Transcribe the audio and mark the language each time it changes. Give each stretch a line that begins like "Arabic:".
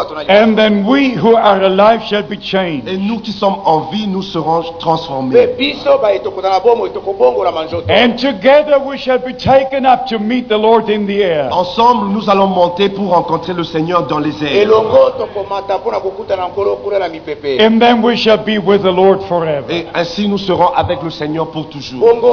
English: And then we who are alive shall be changed.
French: Et nous qui sommes en vie, nous serons transformés.
English: And together we shall be taken up to meet the Lord in the air.
French: Ensemble, nous allons monter pour rencontrer le Seigneur dans les airs.
English: And then we shall be with the Lord forever.
French: Et ainsi nous serons avec le Seigneur pour toujours.